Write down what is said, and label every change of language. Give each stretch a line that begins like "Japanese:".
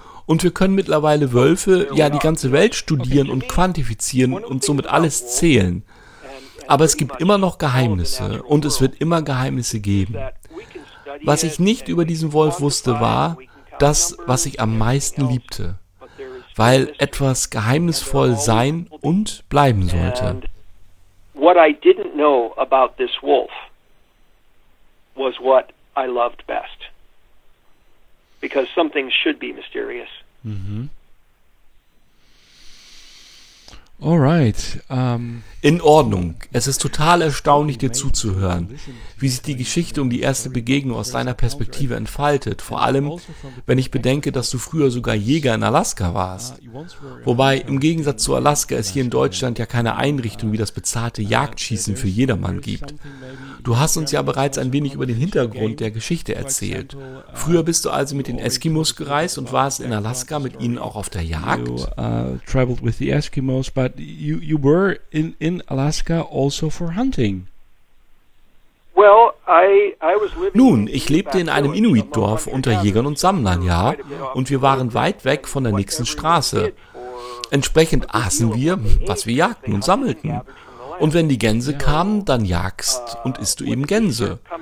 German: Und wir können mittlerweile Wölfe, ja, die ganze Welt studieren und quantifizieren und somit alles zählen. Aber es gibt immer noch Geheimnisse und es wird immer Geheimnisse geben. Was ich nicht über diesen Wolf wusste, war das, was ich am meisten liebte, weil etwas geheimnisvoll sein und bleiben sollte.
English: What I didn't know about this wolf was what I loved best. Because some things should be mysterious. Mm-hmm. All right.
German: In Ordnung. Es ist total erstaunlich, dir zuzuhören, wie sich die Geschichte um die erste Begegnung aus deiner Perspektive entfaltet. Vor allem, wenn ich bedenke, dass du früher sogar Jäger in Alaska warst. Wobei, im Gegensatz zu Alaska es hier in Deutschland ja keine Einrichtung wie das bezahlte Jagdschießen für jedermann gibt. Du hast uns ja bereits ein wenig über den Hintergrund der Geschichte erzählt. Früher bist du also mit den Eskimos gereist und warst in Alaska mit ihnen auch auf der Jagd?
English: Traveled with the Eskimos, but you were in Alaska also for hunting. Well, I was living.
German: Nun, ich lebte in einem Inuit-Dorf unter Jägern und Sammlern, ja, und wir waren weit weg von der nächsten Straße. Entsprechend aßen wir, was wir jagten und sammelten. Und wenn die Gänse kamen, dann jagst und isst du eben Gänse.